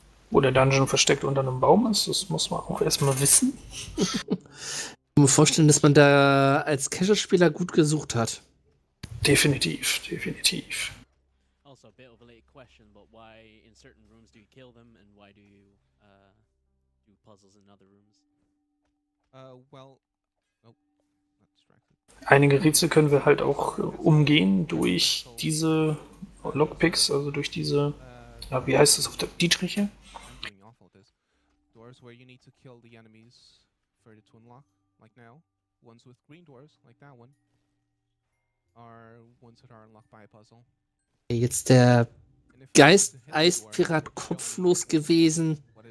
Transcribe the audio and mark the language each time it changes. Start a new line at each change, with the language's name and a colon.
German: Wo der Dungeon versteckt unter einem Baum ist, das muss man auch erstmal wissen. Ich kann mir vorstellen, dass man da als Casual-Spieler gut gesucht hat. Definitiv, definitiv.
English: Also, a bit of a late question, but why in certain rooms do you kill them and why do you do puzzles in other rooms? Well.
German: Einige Rätsel können wir halt auch umgehen durch diese Lockpicks, also durch diese, ja, wie heißt das auf der Dietriche?
English: I'm doing awful at this. Doors where you need to kill the enemies for it to unlock, like now. Ones with green doors, like that one, are ones that are unlocked by a puzzle.
German: Jetzt der Geist-Eispirat kopflos gewesen.